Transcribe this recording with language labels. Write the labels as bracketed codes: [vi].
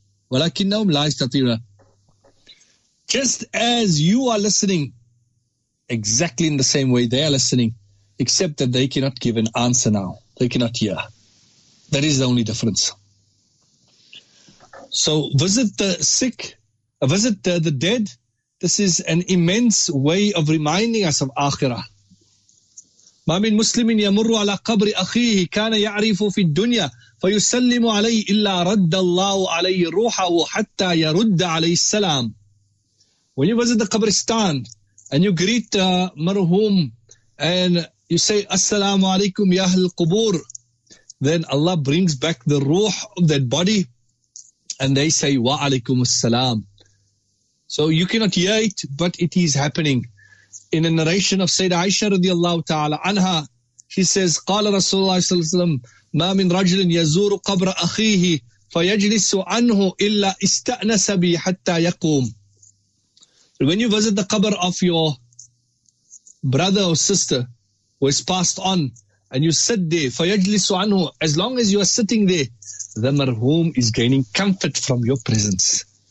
[ar] Walakinnahum la yastati'una. [en] Just as you are listening, exactly in the same way they are listening, except that they cannot give an answer now. They cannot hear. That is the only difference. So visit the sick, visit the dead. This is an immense way of reminding us of Akhirah. [ar] ما من مسلم يمر على قبر أخيه كان يعرف في الدنيا فيسلم عليه إلا رد الله عليه روحه حتى يرد عليه السلام. [en] When you visit the قبرستان and you greet مرهوم and you say [ar] السلام عليكم يا أهل القبور, [en] then Allah brings back the ruh of that body and they say wa alaikum assalam. So you cannot hear it, but it is happening. In a narration of Sayyidah Aisha radiallahu ta'ala anha, she says, [ar] قَالَ رَسُولُ اللَّهِ صَلَّى اللَّهُ عَلَيْهِ وَسَلَّمَ مَا مِنْ رَجْلٍ يَزُورُ قَبْرَ أَخِيهِ فَيَجْلِسُ عَنْهُ إِلَّا إِسْتَأْنَسَ بِي حَتَّى يَقُومُ. [en] When you visit the qabr of your brother or sister who has passed on, and you sit there, [ar] فَيَجْلِسُ عَنْهُ, [en] as long as you are sitting there, the marhum is gaining comfort from your presence.